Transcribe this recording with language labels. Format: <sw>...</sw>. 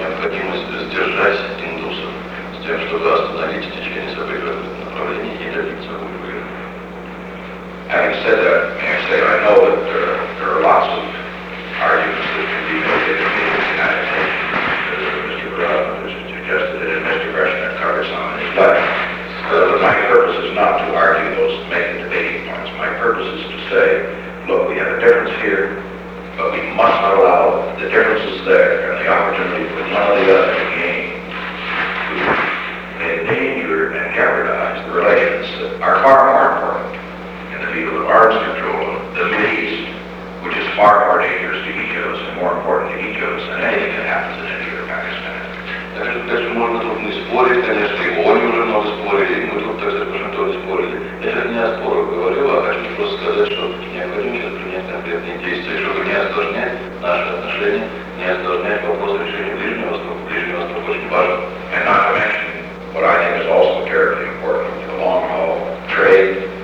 <en>We want to</en> <ru>сдержать индусов с тем, чтобы остановить течение событий в направлении и добиться мира.</ru> <en>Having said that, may I say that I know that there are lots of arguments that can be made in the United States, as Mr. Brown has suggested, and Mr. Gresham covers some in his letter. But my purpose is not to argue those main debating points. My purpose is to say, look, we have a difference here, but we must not allow the differences there and the opportunity for one or the other to gain to endanger and jeopardize the relations that are far more important. People of arms control of the Middle East, which is far more dangerous to each of us and more important to each of us than anything that happens in India or Pakistan.</en> <ru>Так что, конечно, можно тут не спорить, конечно, и они уже много спорили, и мы тут тоже что-то спорили. Я сейчас не о спорах говорю, а хочу просто сказать, что необходимо сейчас принять конкретные действия, чтобы не осложнять наши отношения, не осложнять вопрос решения Ближнего Востока. Ближний Восток очень важен.</ru> <en>And not to mention what I think is also terribly important, the long-haul trade,</en>